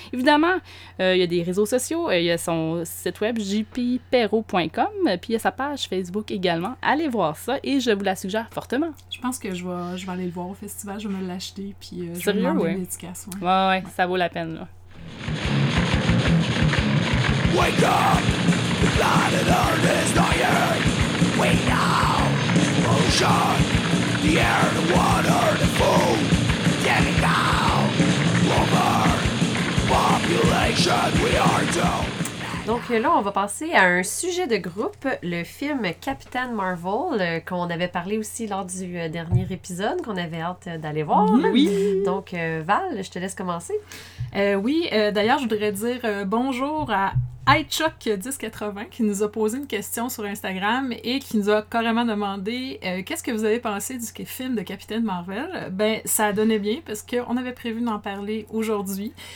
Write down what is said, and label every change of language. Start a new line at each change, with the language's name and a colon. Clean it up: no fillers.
French: Évidemment, il y a des réseaux sociaux, il y a son site web jpperrault.com, puis il y a sa page Facebook également. Allez voir ça, et je vous la suggère fortement. Je pense que je vais aller le voir au festival, je vais me l'acheter, puis je vais demander une dédicace. Ouais, ça vaut la peine, là.
English: Wake up! The planet Earth is dying. We know motion. The air, the water, the food. Getting out. Over population, we are doomed.
French: Donc là, on va passer à un sujet de groupe, le film Captain Marvel, qu'on avait parlé aussi lors du dernier épisode, qu'on avait hâte d'aller voir. Oui! Donc Val, je te laisse commencer. D'ailleurs, je voudrais dire bonjour à iChuck1080 qui nous a posé une question sur Instagram et qui nous a carrément demandé « Qu'est-ce que vous avez pensé du film de Captain Marvel? » Ben, ça donnait bien parce qu'on avait prévu d'en parler aujourd'hui.